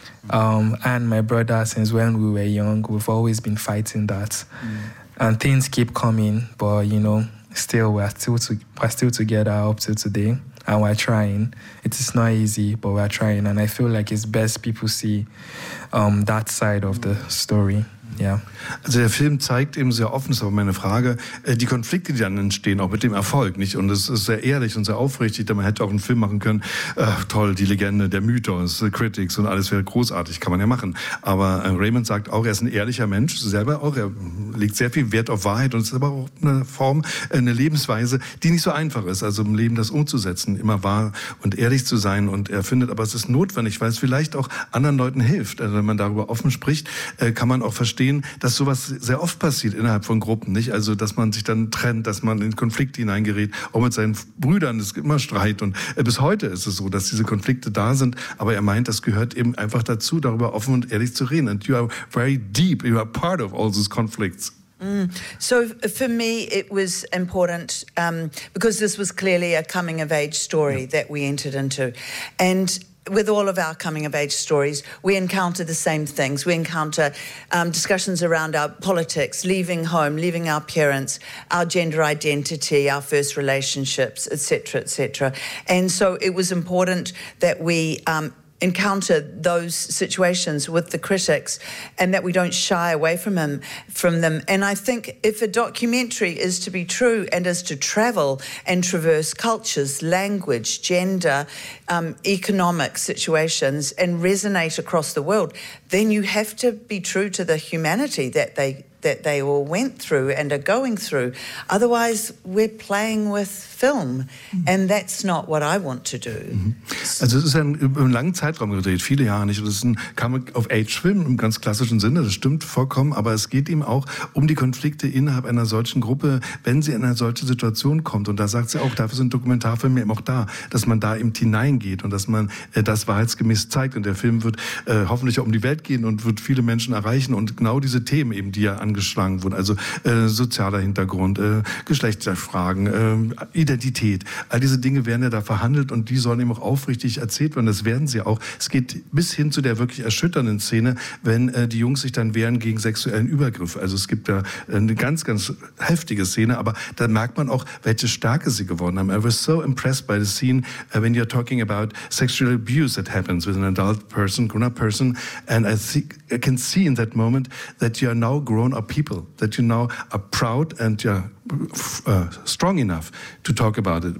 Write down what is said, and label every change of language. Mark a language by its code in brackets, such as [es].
[en] And my brother, since when we were young, we've always been fighting that. And things keep coming, but you know, still we're still together up to today, and we're trying. It is not easy, but we're trying. And I feel like it's best people see that side of the story. Yeah. [de] Also der Film zeigt eben sehr offen, ist aber meine Frage, die Konflikte, die dann entstehen, auch mit dem Erfolg, nicht? Und es ist sehr ehrlich und sehr aufrichtig, denn man hätte auch einen Film machen können, toll, die Legende, der Mythos, The Critics und alles wäre großartig, kann man ja machen. Aber Raymond sagt auch, er ist ein ehrlicher Mensch, selber auch, er legt sehr viel Wert auf Wahrheit und ist aber auch eine Form, eine Lebensweise, die nicht so einfach ist, also im Leben das umzusetzen, immer wahr und ehrlich zu sein. Und er findet aber, es ist notwendig, weil es vielleicht auch anderen Leuten hilft. Also wenn man darüber offen spricht, kann man auch verstehen, dass sowas sehr oft passiert innerhalb von Gruppen, nicht? Also, dass man sich dann trennt, dass man in Konflikte hineingerät, auch mit seinen Brüdern, es gibt immer Streit und bis heute ist es so, dass diese Konflikte da sind, aber er meint, das gehört eben einfach dazu, darüber offen und ehrlich zu reden. [en] And you are very deep, you are part of all these conflicts. So for me, it was important because this was clearly a coming of age story that we entered into. And with all of our coming of age stories, we encounter the same things. We encounter discussions around our politics, leaving home, leaving our parents, our gender identity, our first relationships, etc., etc. And so it was important that we encounter those situations with the critics and that we don't shy away from them. And I think if a documentary is to be true and is to travel and traverse cultures, language, gender, economic situations and resonate across the world, then you have to be true to the humanity that they all went through and are going through. Otherwise, we're playing with film. And that's not what I want to do. [de] Also es ist ein langer Zeitraum gedreht, viele Jahre nicht. Und es ist ein Coming-of-Age-Film im ganz klassischen Sinne, das stimmt vollkommen. Aber es geht ihm auch um die Konflikte innerhalb einer solchen Gruppe, wenn sie in eine solche Situation kommt. Und da sagt sie auch, dafür sind Dokumentarfilme eben auch da, dass man da eben hineingeht und dass man das wahrheitsgemäß zeigt. Und der Film wird hoffentlich auch um die Welt gehen und wird viele Menschen erreichen. Und genau diese Themen eben, die ja angeschlagen wurden, also sozialer Hintergrund, Geschlechterfragen, Identität. All diese Dinge werden ja da verhandelt und die sollen eben auch aufrichtig erzählt werden. Das werden sie auch. Es geht bis hin zu der wirklich erschütternden Szene, wenn die Jungs sich dann wehren gegen sexuellen Übergriff. Also es gibt da eine ganz, ganz heftige Szene, aber da merkt man auch, welche Stärke sie gewonnen haben. [en] I was so impressed by the scene when you're talking about sexual abuse that happens with an adult person, grown-up person, and I can see in that moment that you are now grown-up people, that you now are proud and you're strong enough to talk about it.